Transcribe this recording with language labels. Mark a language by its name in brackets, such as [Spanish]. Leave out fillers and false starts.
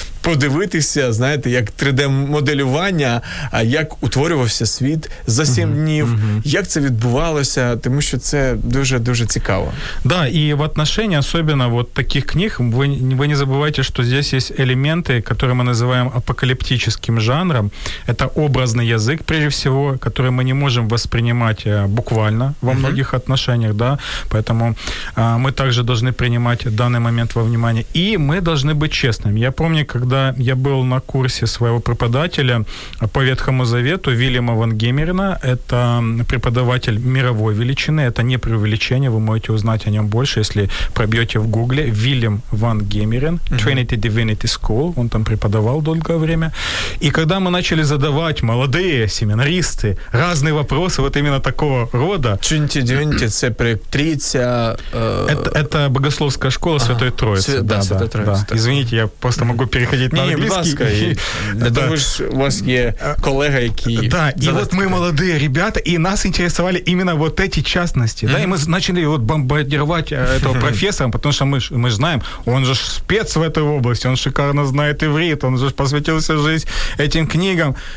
[Ukrainian] подивитися, знаєте, як 3D-моделювання, а як утворювався світ за 7 днів, як це відбувалося, тому що це дуже-дуже цікаво. Да, і [Russian] в отношении, особенно вот таких книг, [Ukrainian] ви не забувайте, що здесь є елементи, які ми називаємо апокаліптичним жанром. [Russian] Это образный язык, прежде всего, который мы не можем воспринимать буквально во многих отношениях, да, поэтому мы также должны принимать данный момент во внимание, и мы должны быть честными. Я помню, когда я был на курсе своего преподавателя по Ветхому Завету, Вильяма Ван Гемерена, это преподаватель мировой величины, это не преувеличение, вы можете узнать о нем больше, если пробьете в гугле, Вильям Ван Гемерен, Trinity Divinity School, он там преподавал долгое время, и когда мы начали задавать молодые семинаристы разные вопросы вот именно такого рода. [Ukrainian] Trinity Divinity, це Тріця... [Russian] Это богословская школа Святой Троицы. Святой Троицы. Да. Извините, я просто могу переходить на английский. [Ukrainian] Не, будь ласка. [Russian] У вас есть коллега, [Ukrainian] який... [Russian] Да, и вот мы молодые ребята, и нас интересовали именно вот эти частности. Да, и мы начали вот бомбардировать этого профессора, потому что мы знаем, он же спец в этой области, он шикарно знает иврит, он же посвятил всю жизнь этим книгам.